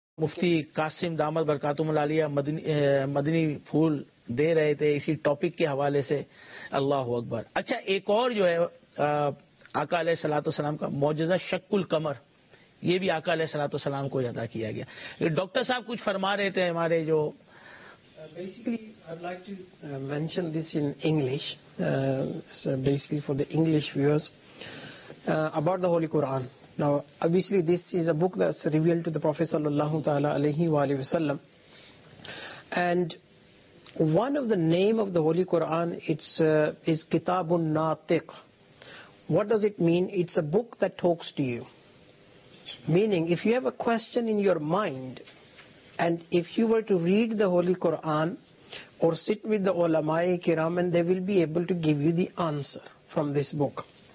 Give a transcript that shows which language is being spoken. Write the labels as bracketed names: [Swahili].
[Urdu] مفتی قاسم دامت برکاتہم العالیہ مدنی پھول دے رہے تھے اسی ٹاپک کے حوالے سے, اللہ اکبر. اچھا ایک اور جو ہے آقا علیہ الصلوۃ والسلام کا معجزہ شق القمر, یہ بھی آقا علیہ الصلوۃ والسلام کو ادا کیا گیا. ڈاکٹر صاحب کچھ فرما رہے تھے ہمارے جو [English] Basically for the English viewers about the holy Quran. Now, obviously, this is a book that's revealed to the Prophet sallallahu ta'ala alayhi wa alayhi wa sallam. And one of the name of the Holy Quran, is Kitabun Natiq. What does it mean? It's a book that talks to you. Meaning, if you have a question in your mind, and if you were to read the Holy Quran, or sit with the ulama-e kiram, and they will be able to give you the answer from this book.